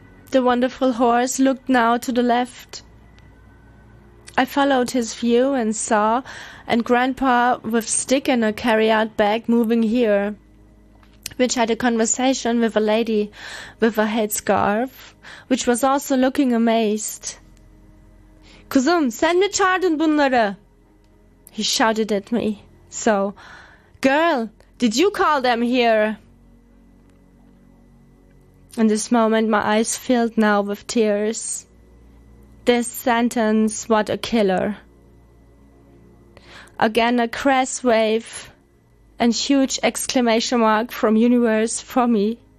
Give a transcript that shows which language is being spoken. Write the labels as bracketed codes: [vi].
[en] The wonderful horse looked now to the left. I followed his view and saw and grandpa with stick and a carry-out bag moving here, which had a conversation with a lady with a headscarf, which was also looking amazed. [tr] Kuzum, sen mi çağırdın bunları? [en] He shouted at me. So, girl, did you call them here? In this moment, my eyes filled now with tears. This sentence, what a killer. Again, a crass wave and huge exclamation mark from universe for me.